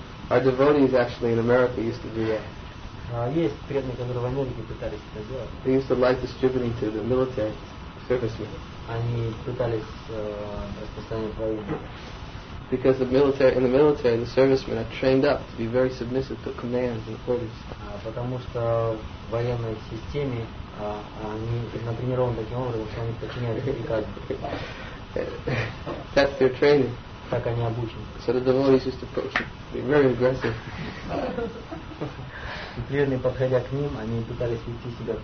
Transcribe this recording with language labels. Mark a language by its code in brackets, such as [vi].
[en] Our devotees actually in America used to do that. [ru] Есть преданные, которые в Америке пытались это делать. [en] They used to like distributing to the military servicemen. [ru] Они пытались распространять войну. [en] Because in the military, the servicemen are trained up to be very submissive to commands and orders. [ru] Потому что в военной системе они натренированы таким образом, что они подчиняются приказам. [en] That's their training. [ru] Так они обучены. [en] So the devotees used to approach them. They're very aggressive. [ru] И преданные, подходя к ним, они пытались вести себя.